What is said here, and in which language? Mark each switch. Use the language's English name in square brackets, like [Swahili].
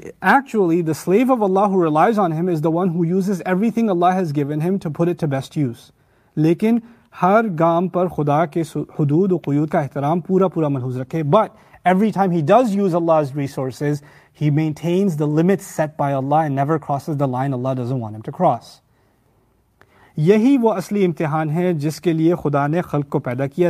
[English] Actually, the slave of Allah who relies on Him is the one who uses everything Allah has given him to put it to best use. [Urdu] لیکن ہر گام پر خدا کے حدود و قیود کا احترام پورا پورا ملحوظ رکھے. [English] But every time he does use Allah's resources, he maintains the limits set by Allah and never crosses the line Allah doesn't want him to cross. [Urdu] یہی وہ اصلی امتحان ہے جس کے لیے خدا نے خلق کو پیدا کیا.